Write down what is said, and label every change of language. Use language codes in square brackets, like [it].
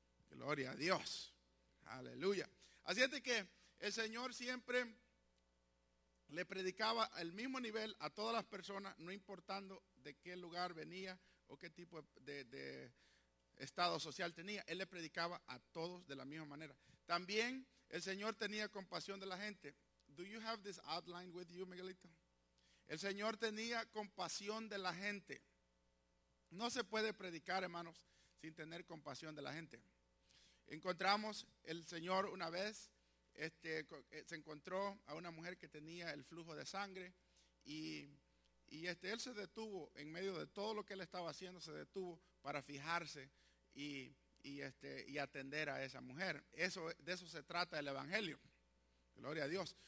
[es] Gloria a Dios. Aleluya. Así es de que el Señor siempre le predicaba al mismo nivel a todas las personas, no importando de qué lugar venía o qué tipo de estado social tenía. Él le predicaba a todos de la misma manera. También el Señor tenía compasión de la gente. [en] Do you have this outline with you, Miguelito? [es] El Señor tenía compasión de la gente. No se puede predicar, hermanos, sin tener compasión de la gente. Encontramos el Señor una vez, se encontró a una mujer que tenía el flujo de sangre y él se detuvo en medio de todo lo que él estaba haciendo, se detuvo para fijarse y atender a esa mujer. Eso, de eso se trata el Evangelio. Gloria a Dios.